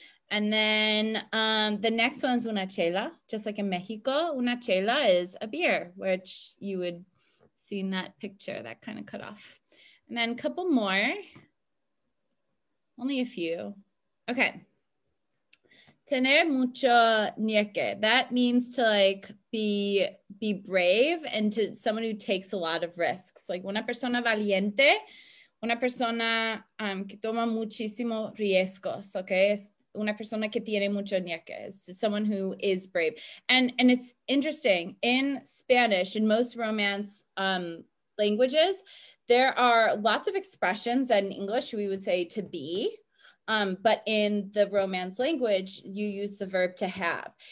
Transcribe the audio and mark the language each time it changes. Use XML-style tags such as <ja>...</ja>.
<en>And then the next one is una chela. Just like in Mexico, una chela is a beer, which you would see in that picture, that kind of cut off. And then a couple more. Only a few. Okay.</en> <es>Tener mucho nieke.</es> <en>That means to like be brave and to someone who takes a lot of risks.</en> <es>Like una persona valiente, una persona que toma muchísimo riesgos, okay? Es una persona que tiene mucho nieke.</es> <en>It's someone who is brave. And it's interesting, in Spanish, in most romance languages, there are lots of expressions that in English we would say to be, but in the romance language, you use the verb to have.</en>